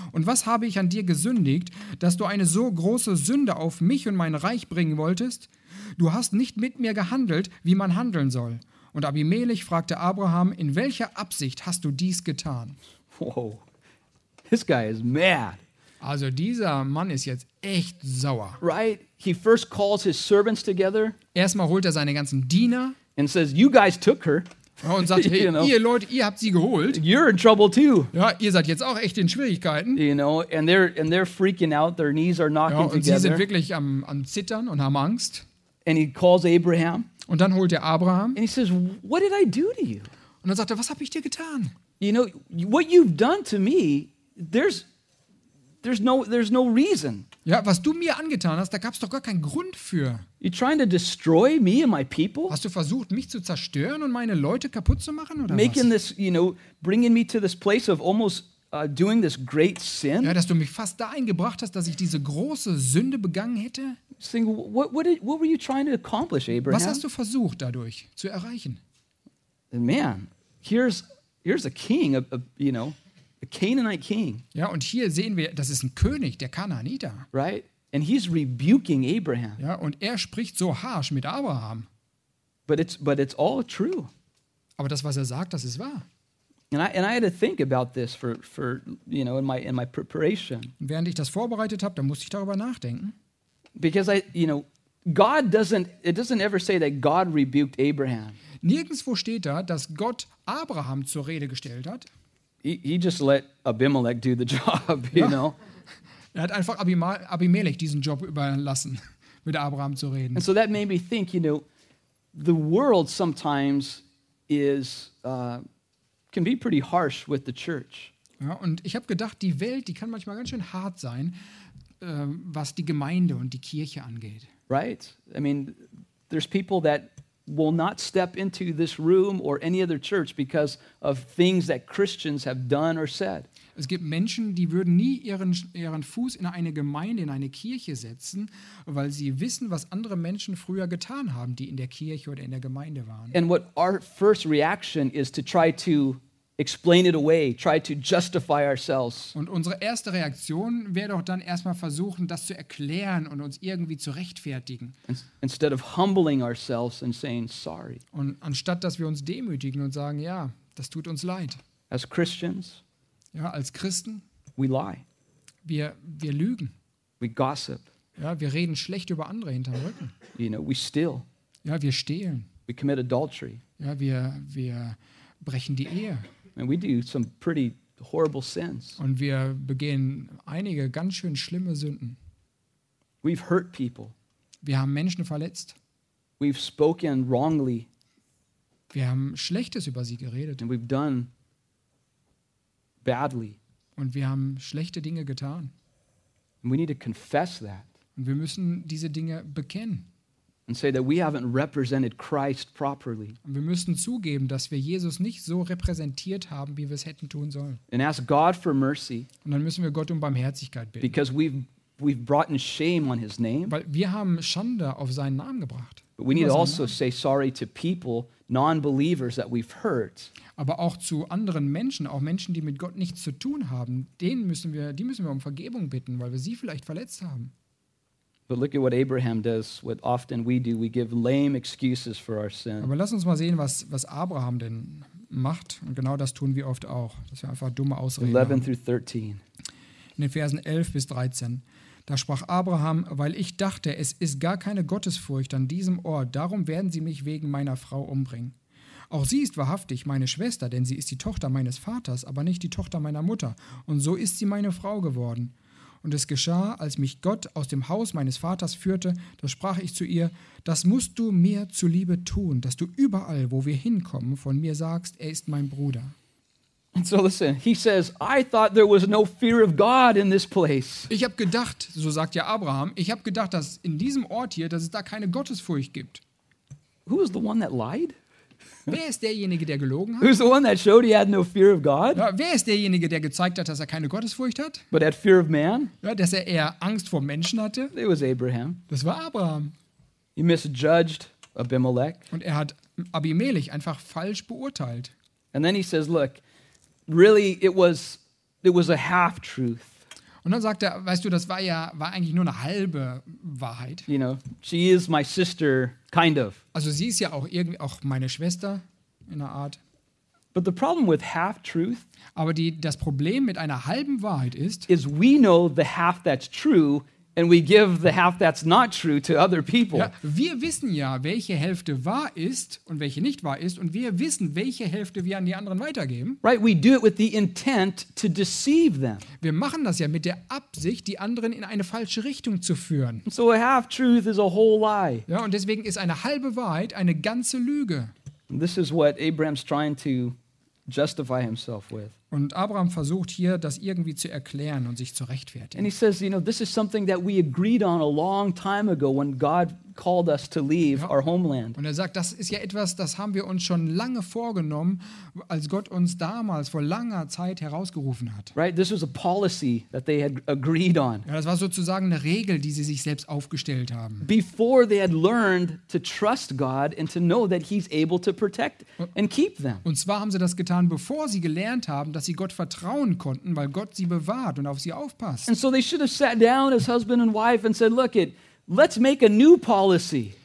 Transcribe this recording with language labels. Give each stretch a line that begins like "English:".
German: Und was habe ich an dir gesündigt, dass du eine so große Sünde auf mich und mein Reich bringen wolltest? Du hast nicht mit mir gehandelt, wie man handeln soll. Und Abimelech fragte Abraham, in welcher Absicht hast du dies getan?
English: Whoa, this guy is mad.
German: Also dieser Mann ist jetzt echt sauer.
English: Right? He first calls his servants together.
German: Erstmal holt er seine ganzen Diener.
English: And says, you guys took her.
German: Und sagt,
English: hey, you know,
German: ihr Leute, ihr habt sie geholt.
English: You're in trouble too.
German: Ja, ihr seid jetzt auch echt in Schwierigkeiten.
English: You know, and they're freaking out. Their knees are knocking together.
German: Ja, und sie sind wirklich am Zittern und haben Angst.
English: And he calls Abraham.
German: Und dann holt er Abraham.
English: And he says, what did I do to you?
German: Und dann sagt er, was habe ich dir getan?
English: You know, what you've done to me, There's no reason.
German: Ja, was du mir angetan hast, da gab's doch gar keinen Grund für.
English: You're trying to destroy me and my people?
German: Hast du versucht, mich zu zerstören und meine Leute kaputt zu machen oder
English: making
German: was?
English: This, you know, bringing me to this place of almost doing this great sin?
German: Ja, dass du mich fast dahin gebracht hast, dass ich diese große Sünde begangen hätte?
English: Saying, what were you trying to accomplish, Abraham?
German: Was hast du versucht dadurch zu erreichen?
English: And man, here's a king, a Canaanite king.
German: Ja, und hier sehen wir, das ist ein König, der Kanaaniter.
English: Right? And he's rebuking Abraham.
German: Ja, und er spricht so harsh mit Abraham.
English: But it's all true.
German: Aber das, was er sagt, das ist wahr.
English: And I had to think about this for you know in my preparation.
German: Während ich das vorbereitet habe, da musste ich darüber nachdenken.
English: Because I, you know, God doesn't, it doesn't ever say that God rebuked Abraham.
German: Nirgendwo steht da, dass Gott Abraham zur Rede gestellt hat.
English: He just let Abimelech do the job, you know.
German: Er hat einfach Abimelech diesen Job überlassen, mit Abraham zu reden.
English: And so that made me think, you know, the world sometimes is can be pretty harsh with the church.
German: Ja, und ich habe gedacht, die Welt, die kann manchmal ganz schön hart sein, was die Gemeinde und die Kirche angeht.
English: Right? I mean, there's people that will not step into this room or any other church because of things that Christians have done or said.
German: Es gibt Menschen, die würden nie ihren Fuß in eine Gemeinde, in eine Kirche setzen, weil sie wissen, was andere Menschen früher getan haben, die in der Kirche oder in der Gemeinde waren.
English: And what our first reaction is to try to explain it away, try to justify ourselves.
German: Und unsere erste Reaktion wäre doch dann erstmal versuchen, das zu erklären und uns irgendwie zu rechtfertigen.
English: Instead of humbling ourselves and saying sorry.
German: Und anstatt dass wir uns demütigen und sagen, ja, das tut uns leid.
English: As Christians,
German: ja, als Christen,
English: we lie.
German: Wir lügen.
English: We gossip.
German: Ja, wir reden schlecht über andere hinterm Rücken.
English: You know, we steal.
German: Ja, wir stehlen.
English: We commit adultery.
German: Ja, wir brechen die Ehe.
English: And we do some pretty horrible sins.
German: Und wir begehen einige ganz schön schlimme Sünden.
English: We've hurt people.
German: Wir haben Menschen verletzt.
English: We've spoken wrongly.
German: Wir haben Schlechtes über sie geredet.
English: And we've done badly.
German: Und wir haben schlechte Dinge getan.
English: And we need to confess that.
German: Und wir müssen diese Dinge bekennen.
English: And say that we haven't represented Christ properly.
German: Und wir müssen zugeben, dass wir Jesus nicht so repräsentiert haben, wie wir es hätten tun sollen.
English: And ask God for mercy.
German: Und dann müssen wir Gott um Barmherzigkeit bitten.
English: Because we've brought in shame on his name.
German: Weil wir haben Schande auf seinen Namen gebracht.
English: But we need also say sorry to people, non-believers that we've hurt.
German: Aber auch zu anderen Menschen, auch Menschen, die mit Gott nichts zu tun haben, die müssen wir um Vergebung bitten, weil wir sie vielleicht verletzt haben.
English: But look at what Abraham does, what often we do. We give lame excuses for our sin.
German: Aber lass uns mal sehen, was Abraham denn macht. Und genau das tun wir oft auch, dass wir einfach dumme Ausreden
English: 11
German: haben.
English: Through 13.
German: In den Versen 11 bis 13. Da sprach Abraham, weil ich dachte, es ist gar keine Gottesfurcht an diesem Ort. Darum werden sie mich wegen meiner Frau umbringen. Auch sie ist wahrhaftig meine Schwester, denn sie ist die Tochter meines Vaters, aber nicht die Tochter meiner Mutter. Und so ist sie meine Frau geworden. Und es geschah, als mich Gott aus dem Haus meines Vaters führte, da sprach ich zu ihr, das musst du mir zuliebe tun, dass du überall, wo wir hinkommen, von mir sagst, er ist mein Bruder.
English: And so listen, he says, I thought there was no fear of God in this place.
German: Ich habe gedacht, so sagt ja Abraham, ich habe gedacht, dass in diesem Ort hier, dass es da keine Gottesfurcht gibt.
English: Who is the one that lied?
German: Wer ist derjenige, der gelogen hat?
English: Who's the one that showed he had no fear of God?
German: Ja, wer ist derjenige, der gezeigt hat, dass er keine Gottesfurcht hat?
English: But had fear of man?
German: Ja, dass er eher Angst vor Menschen hatte?
English: It was Abraham.
German: Das war Abraham.
English: He misjudged Abimelech.
German: Und er hat Abimelech einfach falsch beurteilt.
English: And then he says, look, really it was a half truth.
German: Und dann sagt er, weißt du, das war eigentlich nur eine halbe Wahrheit.
English: You know, she is my sister, kind of.
German: Also sie ist ja auch irgendwie auch meine Schwester in einer Art.
English: But the problem with half truth,
German: aber das Problem mit einer halben Wahrheit ist,
English: is we know the half that's true and we give the half that's not true to other people.
German: Ja, wir wissen ja, welche Hälfte wahr ist und welche nicht wahr ist, und wir wissen, welche Hälfte wir an die anderen weitergeben.
English: Right, we do it with the intent to deceive them.
German: Wir machen das ja mit der Absicht, die anderen in eine falsche Richtung zu führen.
English: So a half truth is a whole lie.
German: Ja, und deswegen ist eine halbe Wahrheit eine ganze Lüge.
English: And this is what Abraham's trying to justify himself with.
German: Und Abraham versucht hier, das irgendwie zu erklären und sich zu rechtfertigen.
English: And he says, you know, this is something that we agreed on a long time ago when God called us to leave our homeland.
German: Und er sagt, das ist ja etwas, das haben wir uns schon lange vorgenommen, als Gott uns damals vor langer Zeit herausgerufen hat.
English: Right, this was a policy that they had agreed on.
German: Ja, das war sozusagen eine Regel, die sie sich selbst aufgestellt haben.
English: Before they had learned to trust God and to know that he's able to protect and keep them.
German: Und zwar haben sie das getan, bevor sie gelernt haben, dass sie Gott vertrauen konnten, weil Gott sie bewahrt und auf sie aufpasst.
English: And so they should have sat down as husband and wife and said, look it, let's make a new policy.